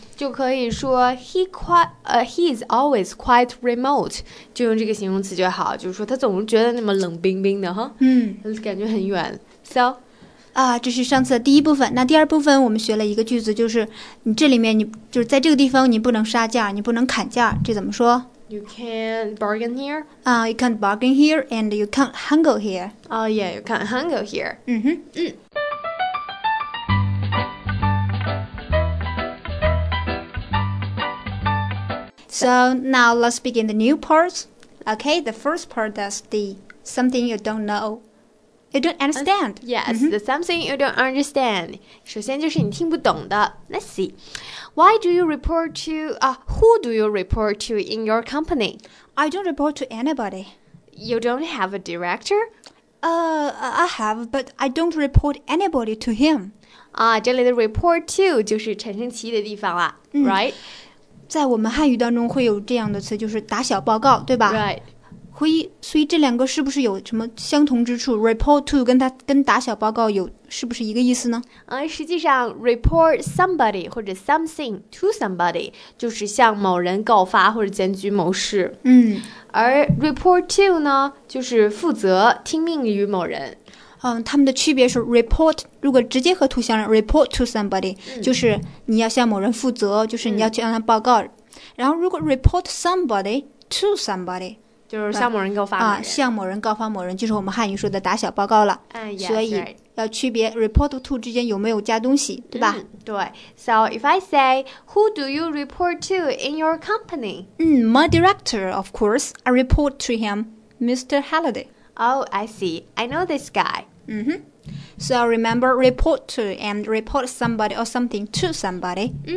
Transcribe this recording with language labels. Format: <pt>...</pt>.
<zh>就可以说</zh> <en>he's always quite remote，</en> <zh>就用这个形容词就好，就是说他总是觉得那么冷冰冰的哈，感觉很远。</zh> <en>So，</en> <zh>这是上次的第一部分。那第二部分我们学了一个句子，就是你这里面你就是在这个地方你不能杀价，你不能砍价，这怎么说？</zh> <en>You can't bargain here. You can't bargain here, and you can't haggle here. Oh, yeah, you can't haggle here. So now let's begin the new parts. Okay, the first part is the something you don't know. You don't understand. The something you don't understand.</en> <zh>首先就是你听不懂的。</zh> <en>Let's see. Why do you report to, who do you report to in your company? I don't report to anybody. You don't have a director? I have, but I don't report anybody to him.</en> <zh>这里的 report to 就是产生歧义的地方了</zh> <en>right?</en> <zh>在我们汉语当中会有这样的词，就是打小报告，对吧？</zh> <en>Right.</en> <zh>所以这两个是不是有什么相同之处？ Report to 跟打小报告有是不是一个意思呢？实际上</zh> <en>report somebody 或者 something to somebody</en> <zh>就是向某人告发或者检举某事。而 report to 呢，就是负责听命于某人。他们的区别是 report 如果直接和图像</zh> <en>report to somebody</en> <zh>就是你要向某人负责，就是你要向他报告。然后如果</zh> <en>report somebody to somebody。</en> <zh>就是向某人告发某人向某人告发某人，就是我们汉语说的打小报告了。所以要区别 report to 之间有没有加东西，对吧？对。</zh> <en>So if I say, who do you report to in your company? My director, of course. I report to him, Mr. Halliday. Oh, I see. I know this guy. So remember, report to and report somebody or something to somebody.</en>